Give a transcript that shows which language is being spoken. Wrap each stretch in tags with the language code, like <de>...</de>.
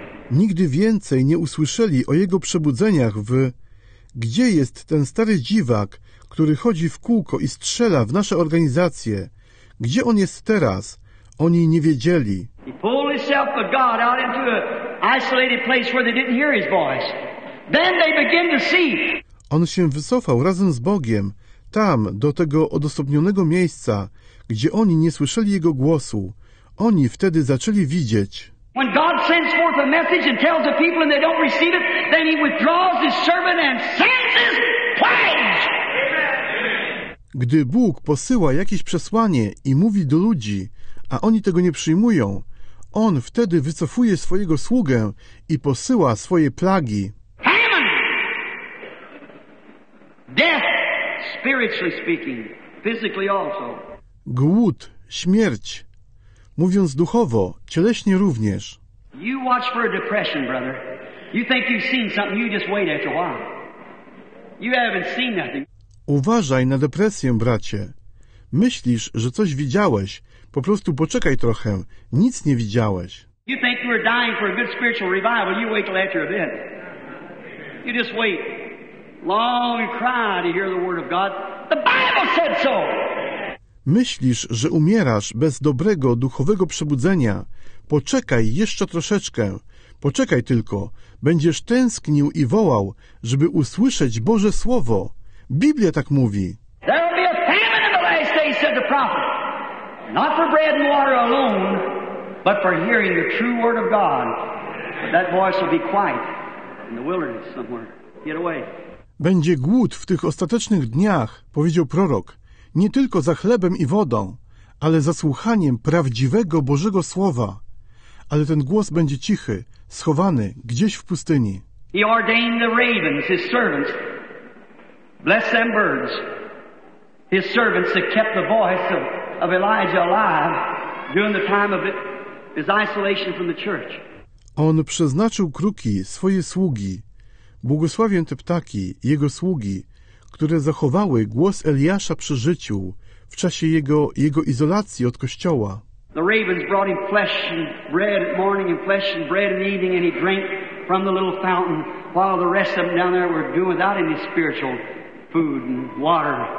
<pl>Nigdy więcej nie usłyszeli o jego przebudzeniach w... Gdzie jest ten stary dziwak, który chodzi w kółko i strzela w nasze organizacje? Gdzie on jest teraz? Oni nie wiedzieli.</pl> <en>He pulled himself with God out into a... isolated place where they didn't hear his voice. Then they begin to see.</en> <pl>On się wycofał razem z Bogiem, tam, do tego odosobnionego miejsca, gdzie oni nie słyszeli jego głosu. Oni wtedy zaczęli widzieć.</pl> <en>When God sends forth a message and tells the people and they don't receive it, then he withdraws his servant and sends his plague.</en> <pl>Gdy Bóg posyła jakieś przesłanie i mówi do ludzi, a oni tego nie przyjmują, on wtedy wycofuje swojego sługę i posyła swoje plagi.</pl> <en>Famine. Death, spiritually speaking, physically also.</en> <pl>Głód, śmierć. Mówiąc duchowo, cieleśnie również.</pl> <en>You watch for a depression, brother. You think you've seen something, you just wait after a while. You haven't seen nothing.</en> <pl>Uważaj na depresję, bracie. Myślisz, że coś widziałeś. Po prostu poczekaj trochę. Nic nie widziałeś.</pl> <en>You think you're dying for a good spiritual revival, you wait till after event. You just wait. Long cry to hear the word of God. The Bible said so.</en> <pl>Myślisz, że umierasz bez dobrego, duchowego przebudzenia. Poczekaj jeszcze troszeczkę. Poczekaj tylko. Będziesz tęsknił i wołał, żeby usłyszeć Boże Słowo. Biblia tak mówi.</pl> <en>There will be a famine in the last days, said the prophet. Not for bread and water alone, but for hearing the true word of God. That voice will be quiet in the wilderness somewhere. Get away.</en> <pl>Będzie głód w tych ostatecznych dniach, powiedział prorok. Nie tylko za chlebem i wodą, ale za słuchaniem prawdziwego Bożego Słowa. Ale ten głos będzie cichy, schowany gdzieś w pustyni.</pl> <en>He ordained the ravens, his servants. Bless them birds. His servants that kept the voice of Elijah alive during the time of his isolation from the church.</en> <pl>On przeznaczył kruki, swoje sługi. Błogosławię te ptaki, jego sługi, które zachowały głos Eliasza przy życiu w czasie jego izolacji od kościoła.</pl> <en>The ravens brought him flesh and bread at morning and flesh and bread in the evening, and he drank from the little fountain while the rest of them down there were doing without any spiritual food and water.</en>